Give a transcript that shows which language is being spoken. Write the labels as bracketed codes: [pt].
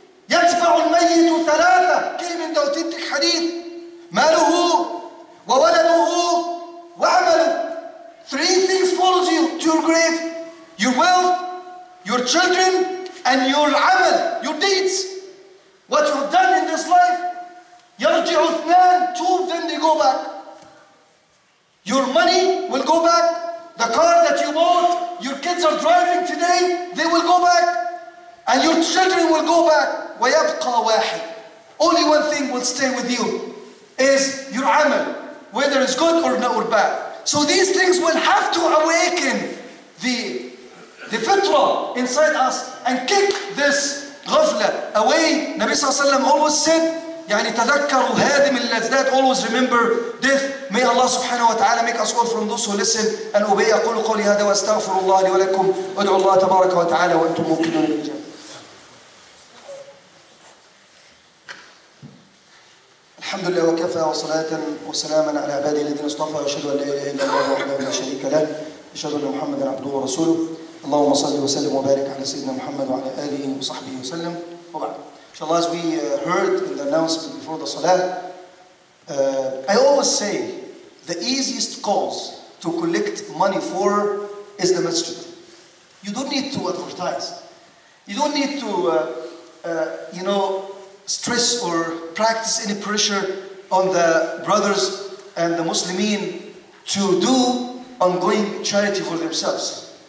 [ar] يتبع الميت ثلاثة كلمة من دوتيتك حديث ماله وولده وعمله. [en] Three things follows you to your grave. Your wealth, your children, and your عمل, your deeds. What you've done in this life, [ar] يرجع اثنان, [en] two of them, they go back. Your money will go back. The car that you bought, your kids are driving today, they will go back. And your children will go back. [ar] ويبقى واحد. [en] Only one thing will stay with you is your عمل, whether it's good or not or bad. So these things will have to awaken the fitra inside us and kick this ghafla away. Nabi sallallahu alayhi wa sallam always said, [ar] يعني تذكروا هادم اللذات, [en] always remember death. May Allah subhanahu wa ta'ala make us all from those who listen and obey. [ar] أقول قولي هذا واستغفر الله لي ولكم وادعو الله تبارك وتعالى وانتم موقنون بالجنة. الحمد لله وكفى وصلاة وسلاما على عباده الذين اصطفى. أشهد أن لا إله إلا الله وحده لا شريك له. أشهد أن محمدا عبده ورسوله. اللهم صل وسلم وبارك على سيدنا محمد وعلى آله وصحبه وسلم. وبعد. [en] إن شاء الله, as we heard in the announcement before the salah, I always say the easiest cause to collect money for is the masjid. You don't need to advertise. You don't need to, you know, stress or practice any pressure on the brothers and the Muslimin to do ongoing charity for themselves.